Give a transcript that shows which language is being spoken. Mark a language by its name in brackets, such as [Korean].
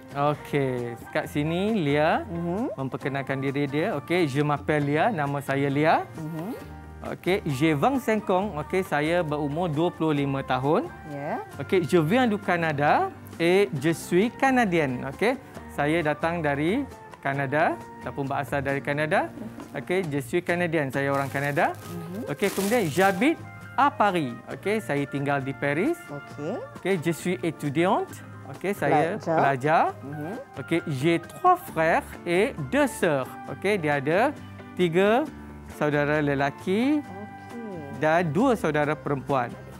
[Malay] Okey, kat sini Lia memperkenalkan diri dia. [French] Okey, je m'appelle Lia, [Malay] nama saya Lia. [French] Okey, j'ai 25 ans. [Malay] Okey, saya berumur 25 tahun. [English] Ya. Yeah. [French] Okey, je viens du Canada et je suis canadienne. [Malay] Okey, saya datang dari Kanada ataupun berasal dari Kanada. [French] Okey, je suis canadienne. [Malay] Saya orang Kanada. Okey, kemudian [French] j'habite à Paris. [Malay] Okey, saya tinggal di Paris. Okey. Okey, [French] je suis étudiante. [Malay] Okey, saya pelajar. Okey, [French] j'ai 3 frères et 2 sœurs. [Malay] Okey, dia ada 3 saudara lelaki dan 2 saudara perempuan.